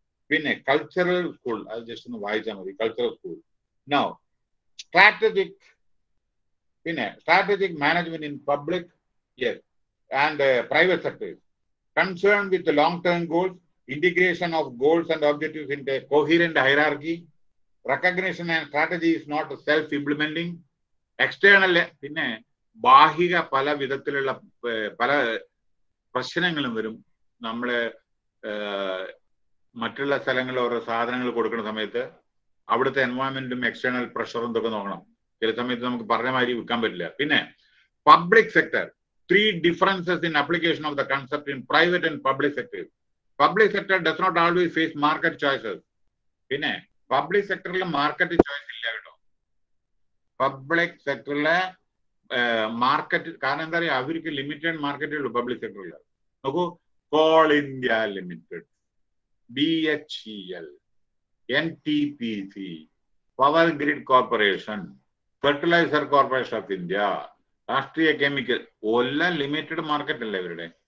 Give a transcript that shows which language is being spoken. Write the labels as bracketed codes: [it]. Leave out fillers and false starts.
[ml] പിന്നെ cultural school, അത് just ഒന്ന് വായിച്ചാൽ മതി, കൾച്ചറൽ സ്കൂൾ. [en] No strategic, പിന്നെ strategic management in public and private sectors concern with long term goals, integration of goals and objectives in a coherent hierarchy. Recognition and strategy is not self-implementing. [ml] External, പിന്നെ ബാഹിക പല വിധത്തിലുള്ള പല പ്രശ്നങ്ങളും വരും നമ്മളെ മറ്റുള്ള സ്ഥലങ്ങളിൽ ഓരോ സാധനങ്ങൾ കൊടുക്കുന്ന സമയത്ത് അവിടുത്തെ എൻവയോൺമെന്റും എക്സ്റ്റേണൽ പ്രഷറും ഇതൊക്കെ നോക്കണം. ചില സമയത്ത് നമുക്ക് പറഞ്ഞ മാതിരി വിൽക്കാൻ പറ്റില്ല. [en] പിന്നെ public sector, 3 differences in application of the concept in private and public sector. Public sector does not always face market choices. [ml] പിന്നെ പബ്ലിക് സെക്ടറിൽ മാർക്കറ്റ് ചോയ്സ് ഇല്ല കേട്ടോ, പബ്ലിക് സെക്ടറിലെ മാർക്കറ്റ്, കാരണം എന്താ പറയുക, അവർക്ക് ലിമിറ്റഡ് മാർക്കറ്റേ ഉള്ളൂ പബ്ലിക് സെക്ടറിൽ. നോക്കൂ, call India limited, BHEL, NTPC, power grid corporation, fertiliser corporation of India, രാഷ്ട്രീയ കെമിക്കൽ, എല്ലാം ലിമിറ്റഡ് മാർക്കറ്റ് അല്ലേ ഇവരുടെ.